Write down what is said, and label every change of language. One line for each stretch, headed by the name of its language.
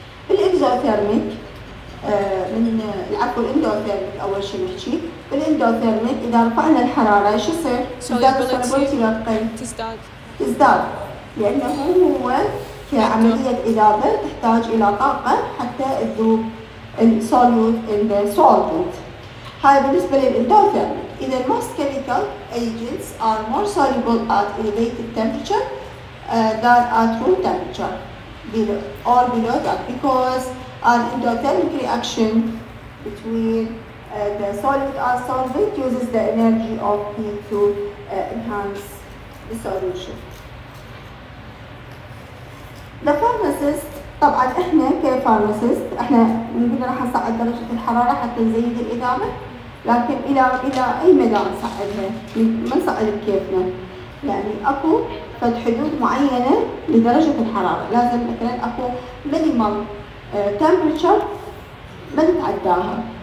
Arabic: الإكزوثيرميك من العقل الاندوثيرميك اول شيء نحكي بالاندوثيرميك اذا رفعنا الحراره شو يصير؟ تزداد لانه هو كعمليه اذابه تحتاج الى طاقه حتى تذوب السوليوت السولفنت. هاي بالنسبه للاندوثيرميك.
English: اذا most chemical agents are more soluble at elevated temperature than at room temperature or below that because an endothermic reaction between the solid and solvent uses the energy of heat to enhance the solution. The pharmacist,
Arabic: طبعا احنا كفارماسيست احنا نقول راح نصعد درجه الحراره حتى نزيد الاذابه، لكن الى اي مدى نصعدها؟ ما نصعد بكيفنا، يعني اكو حدود معينه لدرجه الحراره، لازم مثلا اكو مينيمم temperature ما نتعداها.